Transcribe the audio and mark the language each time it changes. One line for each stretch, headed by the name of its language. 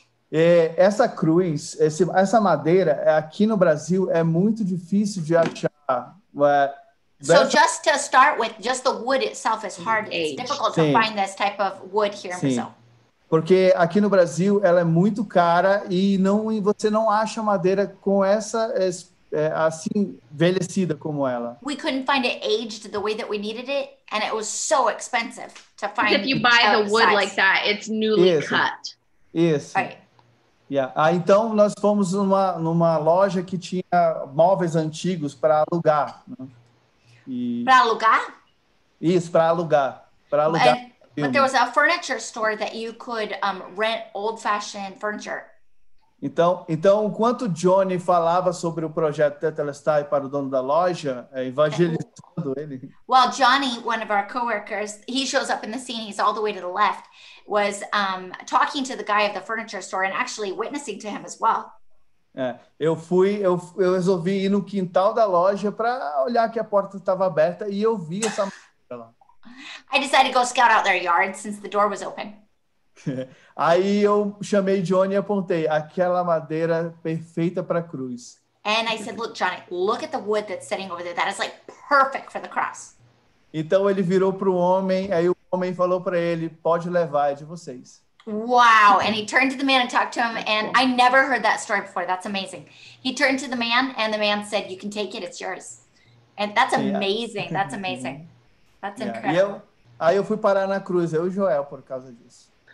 Portuguese: Essa cruz, essa madeira, aqui no Brasil, é muito difícil de achar.
English: So just to start with, just the wood itself is hard. It's difficult to find this type of wood here in Brazil.
Portuguese: Porque aqui no Brasil ela é muito cara e você não acha madeira com essa assim envelhecida como ela.
English: We couldn't find it aged the way that we needed it, and it was so expensive to find. If you buy the wood like that, it's newly cut. Isso. Right. Yeah.
Portuguese: Ah, então nós fomos numa loja que tinha móveis antigos para alugar. Né? Para alugar? Isso, para alugar. Para alugar.
English: But there was a furniture store that you could rent old-fashioned furniture.
Portuguese: Então, enquanto Johnny falava sobre o projeto Tetelestai para o dono da loja, evangelizando
English: and, do anything. Well, Johnny, one of our coworkers, he shows up in the scene. He's all the way to the left, was talking to the guy of the furniture store and actually witnessing to him as well.
Portuguese: Eu resolvi ir no quintal da loja para olhar que a porta estava aberta e eu vi essa lá.
English: I decided to go scout out their yard since the door was open.
Portuguese: Aí eu chamei Johnny e apontei aquela madeira perfeita para cruz.
English: And I said, look, Johnny, look at the wood that's sitting over there. That is like perfect for the cross.
Portuguese: Então ele virou para o homem, aí o homem falou para ele, pode levar, é de vocês.
English: Wow. And he turned to the man and talked to him. And I never heard that story before. That's amazing. He turned to the man and the man said, you can take it. It's yours. And that's amazing. Yeah. That's amazing. That's incredible.
Portuguese: Aí eu fui parar na cruz, eu e Joel, por causa disso.